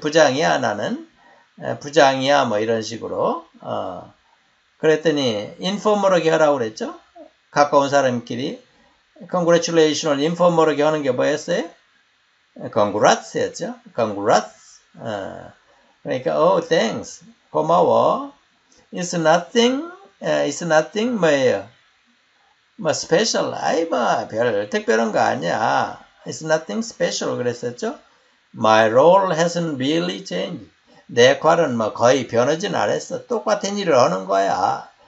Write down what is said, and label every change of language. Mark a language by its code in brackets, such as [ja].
[ko] 부장이야, 나는. 부장이야, 뭐, 이런 식으로. 그랬더니, 인포멀하게 하라고 그랬죠? 가까운 사람끼리. Congratulations을 인포멀하게 하는 게 뭐였어요? [en] Congrats였죠? Congrats. [ko] 그러니까, [en] oh, thanks. [ko] 고마워. [en] It's nothing. It's nothing, [ko] 뭐예요? [en] 뭐, special. [ko] 아이, 뭐, 별, 특별한 거 아니야. [en] It's nothing special. [ko] 그랬었죠? [en] My role hasn't really changed. [ko] 내 역할은 뭐, 거의 변하진 않았어. 똑같은 일을 하는 거야.